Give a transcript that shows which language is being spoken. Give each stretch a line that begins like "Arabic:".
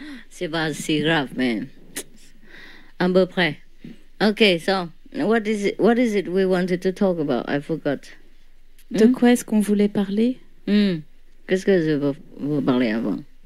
French: C'est pas si grave, mais à peu près.
English: Ok, so, what is it we wanted to talk about? I forgot.
French: De quoi est-ce qu'on voulait parler? Qu'est-ce que je veux vous parler avant?